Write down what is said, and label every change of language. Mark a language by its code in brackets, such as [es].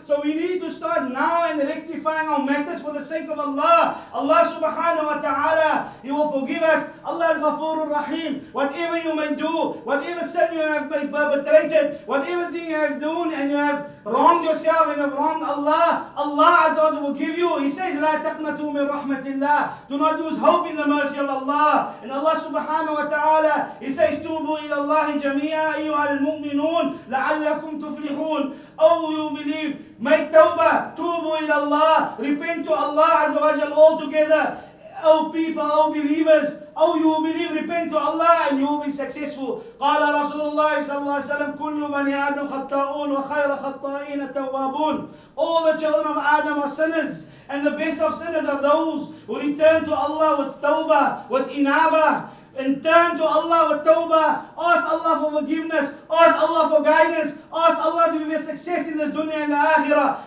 [en] So we need to start now in rectifying our matters for the sake of Allah. Allah subhanahu wa ta'ala, He will forgive us. Allah is Ghafoorul Rahim. Whatever you may do, whatever sin you have perpetrated, whatever thing you have done and you have wronged yourself and have wronged Allah, Allah Azza wa Jalla will give you. [ar] He says, لا تقنطوا من رحمة الله. [en] Do not lose hope in the mercy of Allah. [ar] And Allah subhanahu wa ta'ala, He says, توبوا إلى الله جميعا أيها المؤمنون لعلكم تفلحون. [en] Oh, you believe, make tawbah, [ar] توبوا إلى الله, [en] repent to Allah Azza wa Jalla altogether. Oh people, oh believers, oh you believe, repent to Allah and you will be successful. [ar] قال رسول الله صلى الله عليه وسلم كل بني آدم خطاؤون وخير خطائين التوابون. [en] All the children of Adam are sinners, and the best of sinners are those who return to Allah with tawbah, with inabah, and turn to Allah with tawbah. Ask Allah for forgiveness. Ask Allah for guidance. Ask Allah to give you success in this dunya and the akhirah.